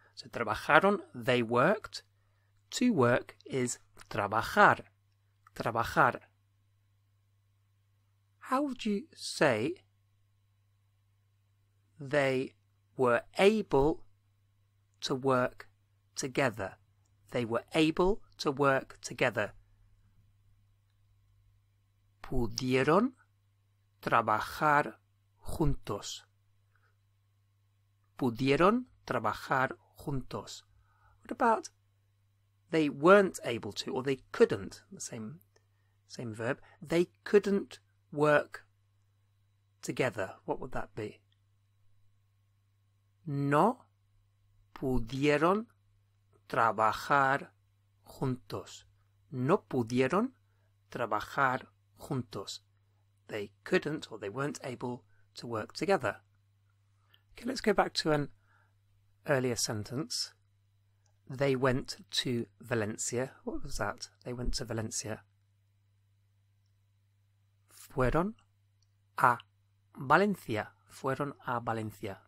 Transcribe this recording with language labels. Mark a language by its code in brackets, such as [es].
[es] So trabajaron, [en] they worked. To work is [es] trabajar. Trabajar. [en] How would you say they were able to work together? They were able to work together. [es] Pudieron trabajar juntos. Pudieron trabajar juntos. [en] What about they weren't able to, or they couldn't? The same verb. They couldn't work together. What would that be? [es] No pudieron trabajar juntos. No pudieron trabajar juntos. [en] They couldn't or they weren't able to work together. Okay, let's go back to an earlier sentence. They went to Valencia. What was that? They went to Valencia. [es] Fueron a Valencia. Fueron a Valencia.